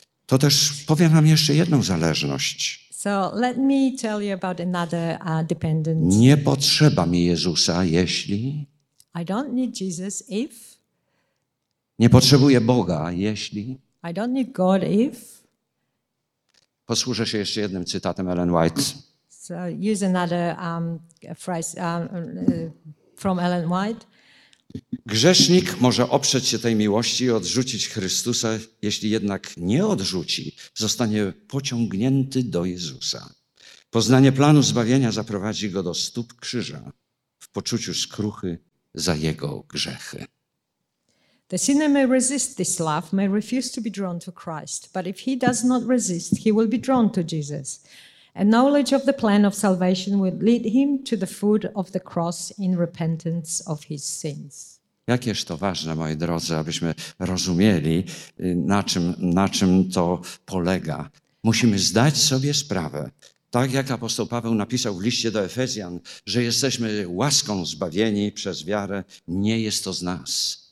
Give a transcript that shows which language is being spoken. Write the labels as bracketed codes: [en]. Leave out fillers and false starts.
[pl] To też powiem wam jeszcze jedną zależność. [en] So let me tell you about another dependent. [pl] Nie potrzeba mi Jezusa, jeśli. [en] I don't need Jesus if. [pl] Nie potrzebuję Boga, jeśli. [en] I don't need God if. [pl] Posłużę się jeszcze jednym cytatem Ellen White. [en] So use another phrase from Ellen White. [pl] Grzesznik może oprzeć się tej miłości i odrzucić Chrystusa, jeśli jednak nie odrzuci, zostanie pociągnięty do Jezusa. Poznanie planu zbawienia zaprowadzi go do stóp krzyża w poczuciu skruchy za jego grzechy. [en] The sinner may resist this love, may refuse to be drawn to Christ, but if he does not resist, he will be drawn to Jesus. A knowledge of the plan of salvation will lead him to the foot of the cross in repentance of his sins. [pl] Jakież to ważne, moi drodzy, abyśmy rozumieli, na czym to polega. Musimy zdać sobie sprawę, tak jak apostoł Paweł napisał w liście do Efezjan, że jesteśmy łaską zbawieni przez wiarę, nie jest to z nas.